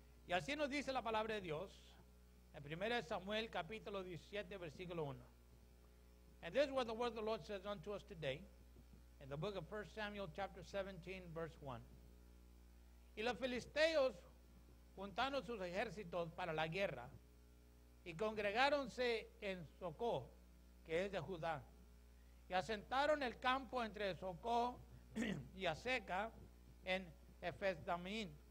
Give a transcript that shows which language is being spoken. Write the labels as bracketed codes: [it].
[es] Y así nos dice la palabra de Dios en 1 Samuel capítulo 17 versículo 1. [en] And this is what the word of the Lord says unto us today in the book of 1 Samuel chapter 17 verse 1. [es] Y los filisteos juntaron sus ejércitos para la guerra y congregáronse en Socó, que es de Judá. Y asentaron el campo entre Socó y Aseca en Efesdamín.